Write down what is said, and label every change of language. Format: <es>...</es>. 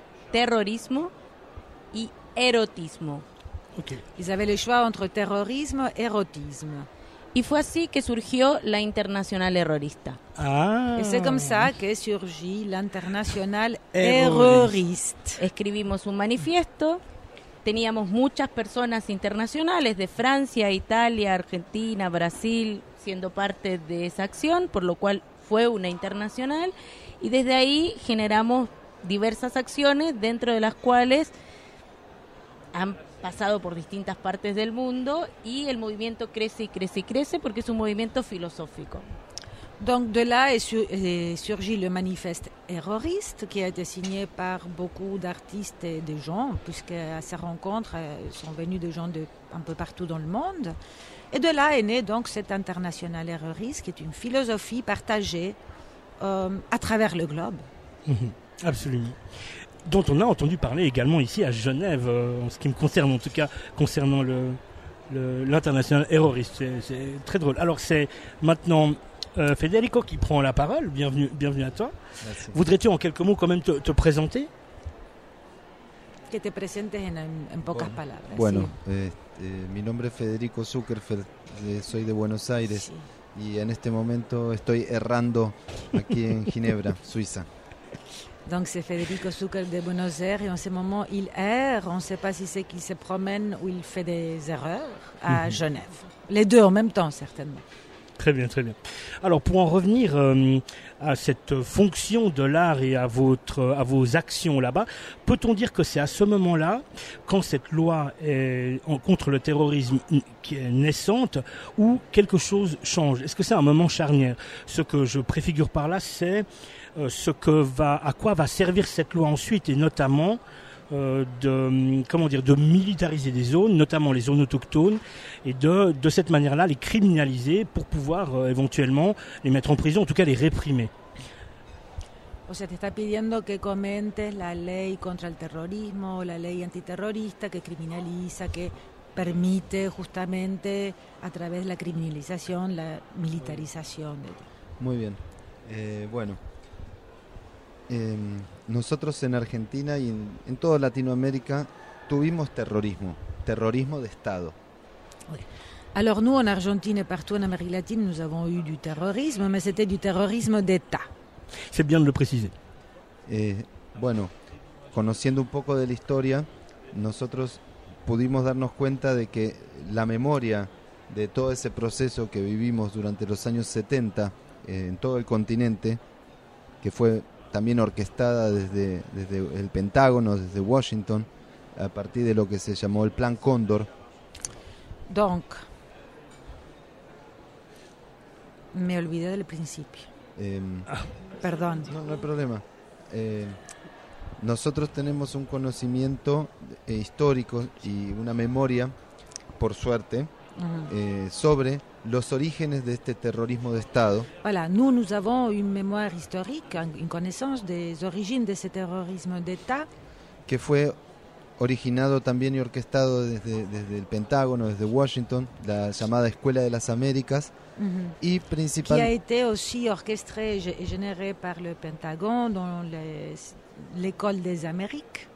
<fr>Terrorisme et érotisme. Okay. Ils avaient le choix entre terrorisme et érotisme. Et</fr> <es>fue así que surgió la Internacional Errorista. Ah.</es> <fr>Et c'est comme ça que surgit l'Internacional Errorista.</fr> <es>Escribimos un manifiesto. Teníamos muchas personas internacionales de Francia, Italia, Argentina, Brasil, siendo parte de esa acción, por lo cual fue una internacional. Y desde ahí generamos diversas acciones, dentro de las cuales han pasado por distintas partes del mundo y el movimiento crece y crece y crece porque es un movimiento filosófico.</es> <fr>Donc de là est surgi le manifeste Erroriste qui a été signé par beaucoup d'artistes et de gens puisque à ces rencontres sont venus des gens de un peu partout dans le monde et de là est né donc cet international Erroriste qui est une philosophie partagée à travers le globe. Absolument. Dont on a entendu parler également ici à Genève, en ce qui me concerne, en tout cas concernant l'international Erroriste. C'est très drôle. Alors c'est maintenant Federico qui prend la parole. Bienvenue à toi. Merci. Voudrais-tu en quelques mots quand même te présenter?</fr> <es>Que te presentes en pocas palabras. Bueno, mi nombre es Federico Zuckerfeld, soy de Buenos Aires. Sí. Y en este momento estoy errando aquí en Ginebra, Suiza.</es> <fr>Donc c'est Federico Zucker de Buenos Aires et en ce moment il erre, on ne sait pas si c'est qu'il se promène ou il fait des erreurs à Genève. Les deux en même temps certainement. Très bien, très bien. Alors pour en revenir à cette fonction de l'art et à vos actions là-bas, peut-on dire que c'est à ce moment-là, quand cette loi contre le terrorisme qui est naissante, où quelque chose change? Est-ce que c'est un moment charnière? Ce que je préfigure par là, c'est à quoi va servir cette loi ensuite, et notamment de militariser des zones, notamment les zones autochtones, et de cette manière-là les criminaliser pour pouvoir éventuellement les mettre en prison, en tout cas les réprimer.</fr> <es>O sea, te está pidiendo que comentes la ley contra el terrorismo, la ley antiterrorista que criminaliza, que permite justamente a través de la criminalización, la militarización. Muy bien. Bueno. Nosotros en Argentina y en toda Latinoamérica tuvimos terrorismo de Estado.</es> <fr>Alors nous en Argentine et partout en Amérique latine nous avons eu du terrorisme, mais c'était du terrorisme d'État. C'est bien de le préciser.</fr> <es>Bueno, conociendo un poco de la historia, nosotros pudimos darnos cuenta de que la memoria de todo ese proceso que vivimos durante los años 70 en todo el continente, que fue también orquestada desde el Pentágono, desde Washington, a partir de lo que se llamó el Plan Cóndor.</es> <fr>Donc,</fr> <es>me olvidé del principio. Perdón. No hay problema. Nosotros tenemos un conocimiento histórico y una memoria, por suerte, sobre los orígenes de este terrorismo de Estado.</es> <fr>Voilà, nous avons une mémoire historique, une connaissance des origines de ce terrorisme d'État.</fr> <es>Que fue originado también y orquestado desde el Pentágono, desde Washington, la llamada Escuela de las Américas. Uh-huh. Y principalmente. Que ha sido orquestado y generado por el Pentágono, la Escuela de las Américas.</es>